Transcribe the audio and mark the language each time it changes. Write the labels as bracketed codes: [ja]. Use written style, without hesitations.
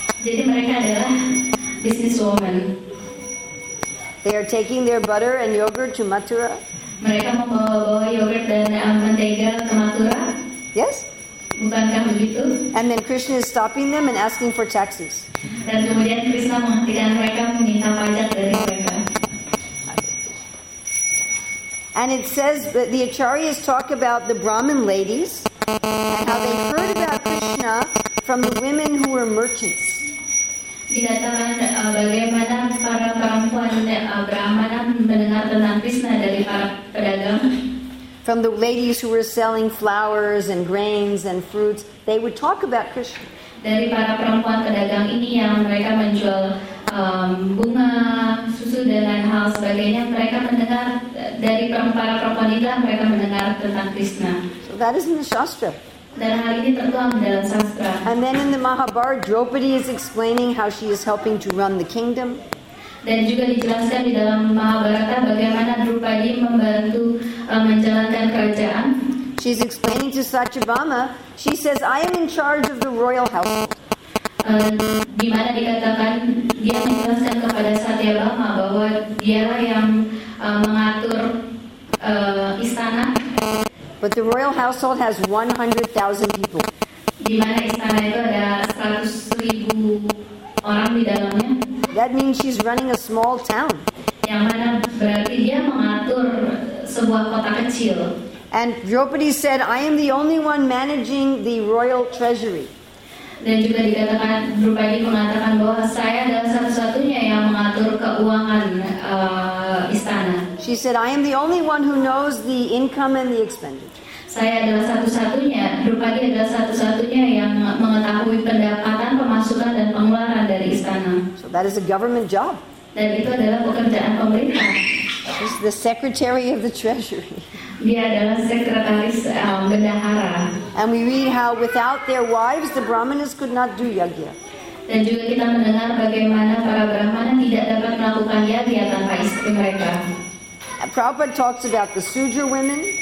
[id] Jadi mereka adalah businesswomen. [en] They are taking their butter and yogurt to Mathura. [id] Mereka membawa yogurt dan mentega ke Mathura. [en] Yes. [id] Bukankah begitu? [en] And then Krishna is stopping them and asking for taxes. [id] Dan kemudian Krishna menghentikan mereka meminta pajak dari mereka. [en] And it says that the acharyas talk about the Brahmin ladies and how they heard about Krishna from the women who were merchants. [id] Dikatakan bagaimana para perempuan Brahmana mendengar tentang Krishna dari para pedagang. [en] From the ladies who were selling flowers and grains and fruits, they would talk about Krishna. [id] Dari para perempuan pedagang ini yang mereka menjual bunga, susu dan lain hal sebagainya, mereka mendengar dari para perempuan itulah mereka mendengar tentang Krishna. [en] So that is in the Shastra. [id] Dan hal ini tertuang dalam sastra. [en] And then in the Mahabharata, Draupadi is explaining how she is helping to run the kingdom. [id] Dan juga dijelaskan di dalam Mahabharata bagaimana Draupadi membantu menjalankan kerajaan. [en] She's explaining to Satyabhama. She says, "I am in charge of the royal household." [id] Di mana dikatakan dia menjelaskan kepada Satyabhama bahwa dialah yang mengatur istana. [en] But the royal household has 100,000 people. [id] Di mana istana itu ada 100,000 orang di dalamnya. [en] That means she's running a small town. [id] Yang mana berarti dia mengatur sebuah kota kecil. [en] And Draupadi said, "I am the only one managing the royal treasury." [id] dan juga dikatakan Drupadi mengatakan bahwa saya adalah satu-satunya yang mengatur keuangan istana. [en] She said, I am the only one who knows the income and the expenditure. [id] Saya adalah satu-satunya, Drupadi adalah satu-satunya yang mengetahui pendapatan, pemasukan, dan pengeluaran dari istana. [en] So that is a government job. [id] Dan itu adalah pekerjaan pemerintah. [en] She's the Secretary of the Treasury. [id] Dia adalah sekretaris bendahara. [en] And we read how without their wives, the Brahmanas could not do yagya. [id] Dan juga kita mendengar bagaimana para Brahmana tidak dapat melakukan yagya tanpa istri mereka. [en] And Prabhupada talks about the Sudra women.